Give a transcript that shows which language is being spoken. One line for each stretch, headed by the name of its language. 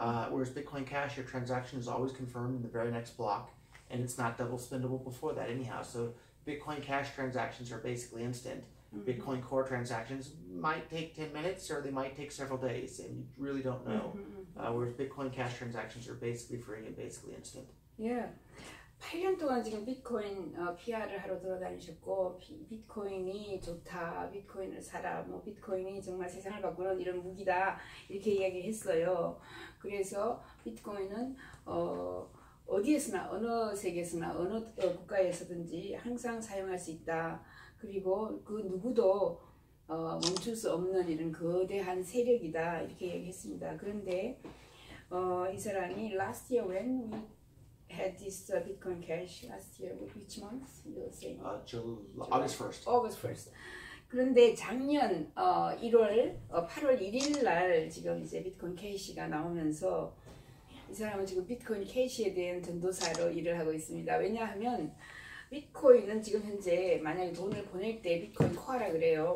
English: Whereas Bitcoin Cash, your transaction is always confirmed in the very next block, and it's not double spendable before that anyhow. So Bitcoin Cash transactions are basically instant. Bitcoin Core transactions might take 10 minutes or they might take several days, and you really don't know. Whereas Bitcoin Cash transactions are basically free and basically instant. Yeah.
Korean: 8년 동안 지금 비트코인 PR을 하러 돌아다니셨고 비트코인이 좋다, 비트코인을 사라, 뭐 비트코인이 정말 세상을 바꾸는 이런 무기다 이렇게 이야기했어요. 그래서 비트코인은 어디에서나, 어느 세계에서나, 어느 국가에서든지 항상 사용할 수 있다. 그리고 그 누구도 멈출 수 없는 이런 거대한 세력이다 이렇게 얘기했습니다. 그런데 이 사람이
English: last year when we had this Bitcoin Cash last year which month you were saying? August 1st.
Korean: 그런데 작년 8월 1일 날 지금 이제 비트코인 캐시가 나오면서 이 사람은 지금 비트코인 캐시에 대한 전도사로 일을 하고 있습니다. 왜냐하면 비트코인은 지금 현재 만약에 돈을 보낼 때 비트코인 코어라 그래요.